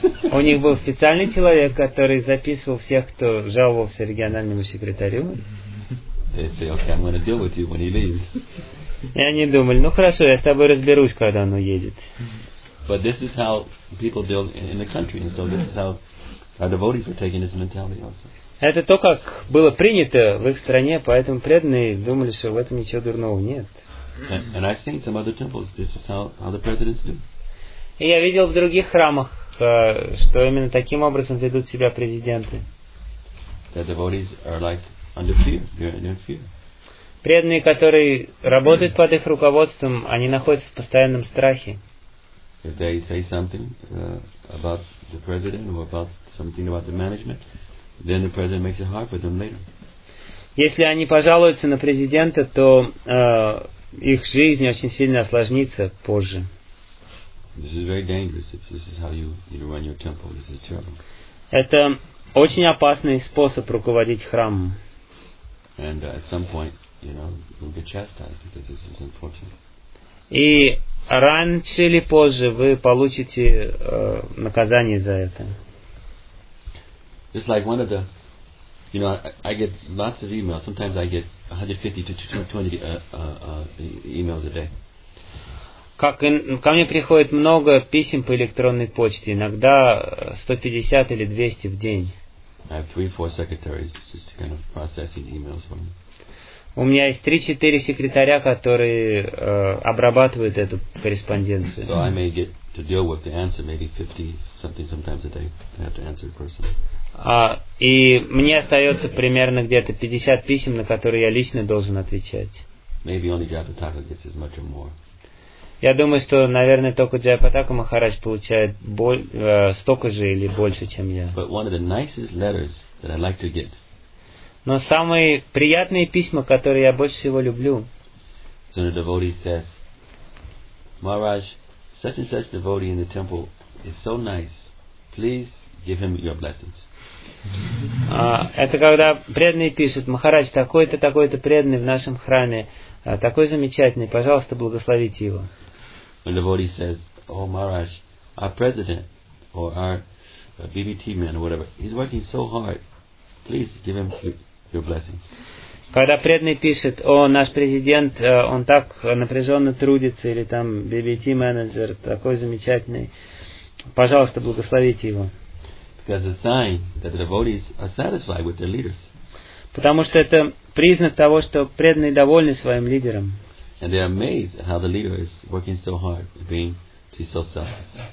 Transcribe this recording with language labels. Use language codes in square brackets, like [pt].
[ru] У них был специальный человек, который записывал всех, кто жаловался региональному секретарю. [en] They say, okay, I'm going to deal with you when he leaves. [ru] И они думали, ну хорошо, я с тобой разберусь, когда он уедет. [en] But this is how people deal in the country, and so this is how our devotees were taking this mentality also. [ru] Это то, как было принято в их стране, поэтому преданные думали, что в этом ничего дурного нет. [en] And I've seen some other temples. This is how the presidents do. [ru] И я видел в других храмах, что именно таким образом ведут себя президенты. [en] The devotees are like under fear. They're under fear. [ru] Преданные, которые работают под их руководством, они находятся в постоянном страхе. [en] If they say something about the president or about something about the management, then the president makes it hard for them later. [ru] Если они пожалуются на президента, то их жизнь очень сильно осложнится позже. [en] This is very dangerous if this is how you run your temple. This is terrible. [ru] Это очень опасный способ руководить храмом. [en] And at some point, you know, you'll get chastised because this is unfortunate. [ru] И раньше или позже вы получите наказание за это. [en] It's like one of the, you know, I get lots of emails. Sometimes I get 150 to 220 emails a day. [ru] Как ко мне приходит много писем по электронной почте, иногда 150 или 200 в день. [en] I have 3-4 secretaries just kind of processing emails for me. [ru] У меня есть 3-4 секретаря, которые обрабатывают эту корреспонденцию. [en] So I may get to deal with the answer maybe 50 something sometimes a day. I have to answer personally. [ru] И мне остается примерно где-то 50 писем, на которые я лично должен отвечать. [en] Maybe only Jayapataka gets as much or more. [ru] Я думаю, что, наверное, только Джайапатака Махарадж получает столько же или больше, чем я. [en] But one of the nicest letters that I like to get. [ru] Но самые приятные письма, которые я больше всего люблю. [en] So the devotee says, Maharaj, such and such devotee in the temple is so nice. Please give him your blessings. [ru] Это когда преданные пишут, Махарадж, такой-то преданный в нашем храме, такой замечательный, пожалуйста, благословите его. [en] When the devotee says, oh, Maharaj, our president, or our BBT man, or whatever, he's working so hard. Please give him your blessings. [ru] Когда преданный пишет, о, наш президент, он так напряженно трудится, или там BBT менеджер, такой замечательный, пожалуйста, благословите его. [en] As a sign that the devotees are satisfied with their leaders. [ru] Потому что это признак того, что преданные довольны своим лидером. [en] And they are amazed at how the leader is working so hard, being so selfless.